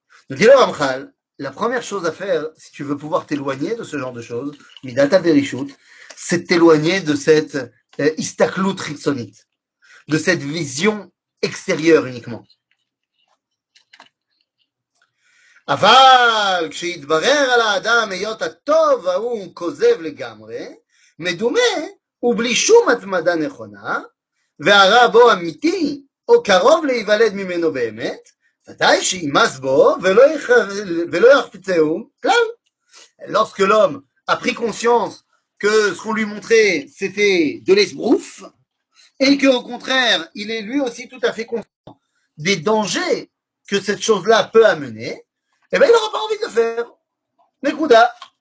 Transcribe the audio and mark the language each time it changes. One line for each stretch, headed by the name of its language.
French: Donc, dis-le, Ramchal, la première chose à faire, si tu veux pouvoir t'éloigner de ce genre de choses,
Hebrew: midata verishut,
French: c'est de t'éloigner de cette
Hebrew: istaklout ritsonite,
French: de cette vision extérieure uniquement.
Hebrew: אבל כשיתברר על האדם היות הטוב ההוא כוזב לגמרי, מדומה ובלי שום התמדה נכונה, והרע בו אמיתי או קרוב להיוולד ממנו באמת, ודאי שימס בו ולא יחפצהו, כלל.
French: Lorsque l'homme a pris conscience que ce qu'on lui montrait c'était de l'esbrouf, et qu'au contraire il est lui aussi tout à fait conscient des dangers que cette chose-là peut amener, eh bien, il n'aura pas envie de le faire. Nekuda.